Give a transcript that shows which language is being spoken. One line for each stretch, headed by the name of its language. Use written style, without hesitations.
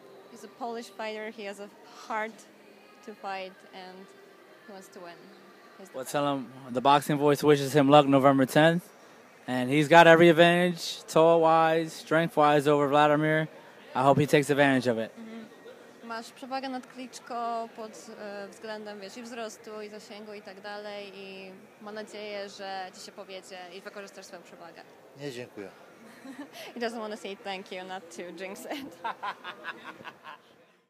English: He's a Polish fighter, he has a heart to fight and he wants to win. Well, tell him the Boxing Voice wishes him luck November 10th. And he's got every advantage, tall-wise, strength-wise, over Vladimir. I hope he takes advantage of it.
Polish: Masz przewagę nad Kliczko pod względem, wiesz, i wzrostu, i zasięgu, i tak dalej. I mam nadzieję, że ci się powiedzie i wykorzystasz swoją przewagę. Nie, dziękuję.
English: He doesn't want to say thank you, not to jinx it.